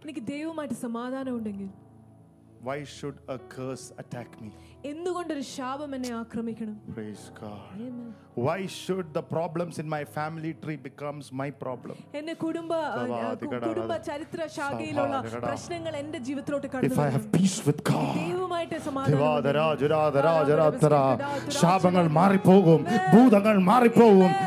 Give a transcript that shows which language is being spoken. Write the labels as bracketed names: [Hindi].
[Malayalam] എനിക്ക് ദൈവമായിട്ട് സമാധാനം ഉണ്ടെങ്കിൽ, [English] why should a curse attack me? [Malayalam] എന്തുകൊണ്ട് ഒരു ശാപം എന്നെ ആക്രമിക്കണം? [English] Praise God. Amen. Why should the problems in my family tree becomes my problem? [Malayalam] എന്റെ കുടുംബ ചരിത്ര ശാഖയിലുള്ള പ്രശ്നങ്ങൾ എന്റെ ജീവിതത്തിലോട്ട് കടന്നു. [English] If I have peace with God, [Malayalam] ദൈവമായിട്ട് സമാധാനം. ദിവാദരാ ജുരാദരാ ജരാത്രാ ശാപങ്ങൾ മാറിപ്പോകും, ഭൂതങ്ങൾ മാറിപ്പോകും.